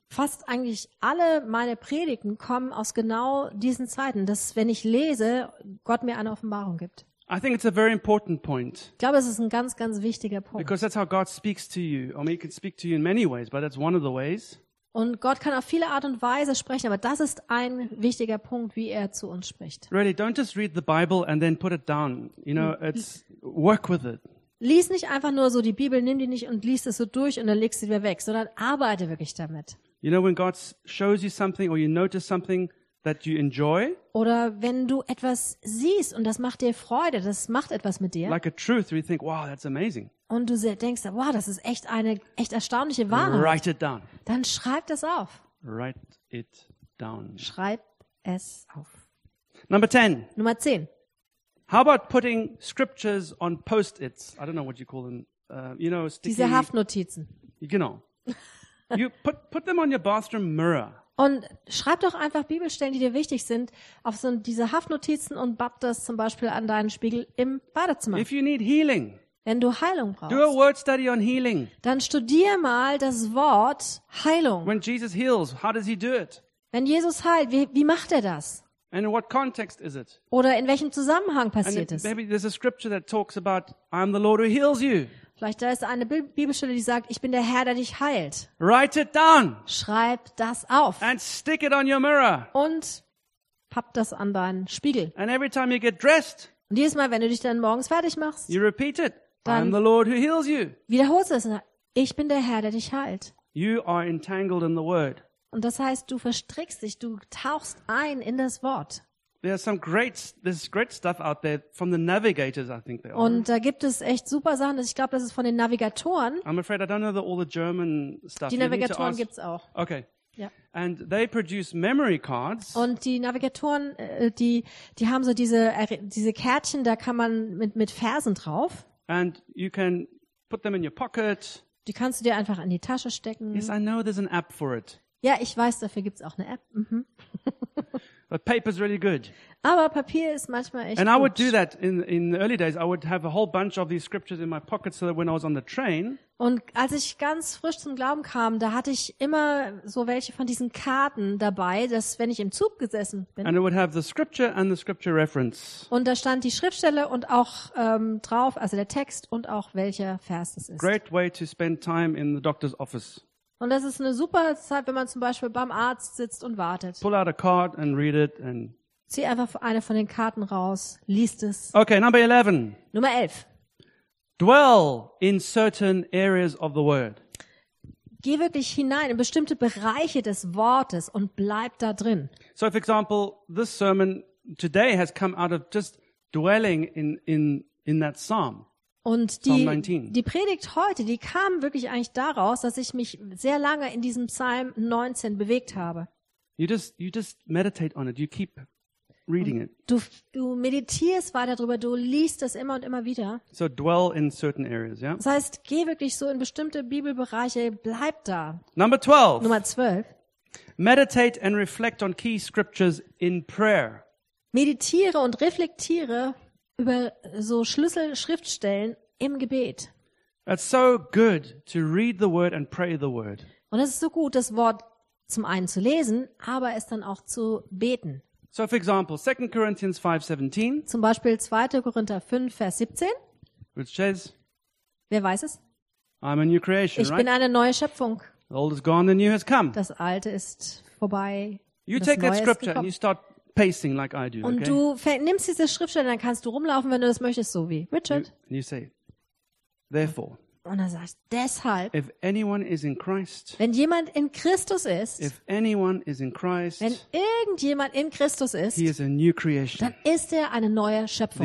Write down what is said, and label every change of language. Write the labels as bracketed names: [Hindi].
[German] Fast eigentlich alle meine Predigten kommen aus genau diesen Zeiten, dass wenn ich lese, Gott mir eine Offenbarung gibt. [English] I think it's a very important point. [German] Ich glaube, es ist ein ganz, ganz wichtiger Punkt. [English] Because that's how God speaks to you. I mean, he can speak to you in many ways, but that's one of the ways. [German] Und Gott kann auf viele Art und Weise sprechen, aber das ist ein wichtiger Punkt, wie er zu uns spricht. [English] Really, don't just read the Bible and then put it down. You know, it's work with it. [German] Lies nicht einfach nur so die Bibel, nimm die nicht und liest es so durch und dann legst du sie wieder weg, sondern arbeite wirklich damit. [English] You know, when God shows you something or you notice something that you enjoy. [German] Oder wenn du etwas siehst und das macht dir Freude, das macht etwas mit dir. [English] Like a truth, you think, wow, that's amazing. [German] Und du denkst, wow, das ist echt eine echt erstaunliche Wahrheit. [English] Write it down. [German] Dann schreib das auf. [English] Write it down. [German] Schreib es auf. [English] Number 10. [German] Nummer 10. [English] How about putting scriptures on post-its? I don't know what you call them. You know, sticky. [German] Diese Haftnotizen. Genau. [English] You put them on your bathroom mirror. [German] Und schreib doch einfach Bibelstellen, die dir wichtig sind, auf so diese Haftnotizen und bapp das zum Beispiel an deinen Spiegel im Badezimmer. [English] If you need healing, [German] wenn du Heilung brauchst, [English] do a word study on healing. [German] Dann studier mal das Wort Heilung. [English] When Jesus heals, how does he do it? [German] Wenn Jesus heilt, wie macht er das? [English] And in what context is it? [German] Oder in welchem Zusammenhang passiert es? [English] Maybe there's a scripture that talks about I'm the Lord who heals you. [German] Vielleicht da ist eine Bibelstelle, die sagt, ich bin der Herr, der dich heilt. [English] Write it down. [German] Schreib das auf. [English] And stick it on your mirror. [German] Und papp das an deinen Spiegel. [English] And every time you get dressed. [German] Und jedes Mal, wenn du dich dann morgens fertig machst. [English] You repeat it. I'm the Lord who heals you. [German] Wiederholst du es und sagst, ich bin der Herr, der dich heilt. [English] You are entangled in the word. [German] Und das heißt, du verstrickst dich, du tauchst ein in das Wort. [English] There's some great, there's great stuff out there from the navigators, I think they are. [German] Und da gibt es echt super Sachen. Ich glaube, das ist von den Navigatoren. [English] I'm afraid I don't know all the German stuff. [German] Die Navigatoren gibt's auch. [English] Okay. [German] Ja. [English] And they produce memory cards. [German] Und die Navigatoren, die haben so diese Kärtchen, da kann man mit Versen drauf. [English] And you can put them in your pocket. [German] Die kannst du dir einfach in die Tasche stecken. [English] Yes, I know there's an app for it. [German] Ja, ich weiß, dafür gibt's auch eine App. Mhm. [English] But paper's really good. [German] Aber Papier ist manchmal echt gut. [English] And I would do that in the early days. I would have a whole bunch of these scriptures in my pocket so that when I was on the train. [German] Und als ich ganz frisch zum Glauben kam, da hatte ich immer so welche von diesen Karten dabei, dass wenn ich im Zug gesessen bin. [English] And it would have the scripture and the scripture reference. [German] Und da stand die Schriftstelle und auch drauf, also der Text und auch welcher Vers es ist. [English] Great way to spend time in the doctor's office. [German] Und das ist eine super Zeit, wenn man zum Beispiel beim Arzt sitzt und wartet. [English] Pull out a card and read it and [German] zieh einfach eine von den Karten raus, liest es. [English] Okay, number 11. [German] Nummer 11. [English] Dwell in certain areas of the word. [German] Geh wirklich hinein in bestimmte Bereiche des Wortes und bleib da drin. [English] So for example, this sermon today has come out of just dwelling in that psalm. [German] Und die Predigt heute, die kam wirklich eigentlich daraus, dass ich mich sehr lange in diesem Psalm 19 bewegt habe. [English] You just meditate on it. You keep reading it. [German] Du meditierst weiter drüber, du liest das immer und immer wieder. [English] So dwell in certain areas, yeah? [German] Das heißt, geh wirklich so in bestimmte Bibelbereiche, bleib da. [English] Number 12. [German] Nummer 12. [English] Meditate and reflect on key scriptures in prayer. [German] Meditiere und reflektiere über so Schlüsselschriftstellen im Gebet. [English] It's so good to read the word and pray the word. [German] Und es ist so gut, das Wort zum einen zu lesen, aber es dann auch zu beten. [English] So for example, 2 Corinthians 5:17. [German] Zum Beispiel 2. Korinther 5, Vers 17. [English] Which says, [German] wer weiß es? [English] I'm a new creation, [German] ich bin eine neue Schöpfung. [English] The old is gone, the new has come. [German] Das Alte ist vorbei. [English] You [German] das [English] take [German] Neue [English] that scripture and you start pacing like I do, [German] und [English] okay? [German] Du nimmst diese Schriftstelle, dann kannst du rumlaufen, wenn du das möchtest, so wie Richard. [English] You say, therefore. [German] Und er sagt, deshalb. [English] If anyone is in Christ. [German] Wenn jemand in Christus ist. [English] If anyone is in Christ. [German] Wenn irgendjemand in Christus ist. [English] He is a new creation. [German] Dann ist er eine neue Schöpfung.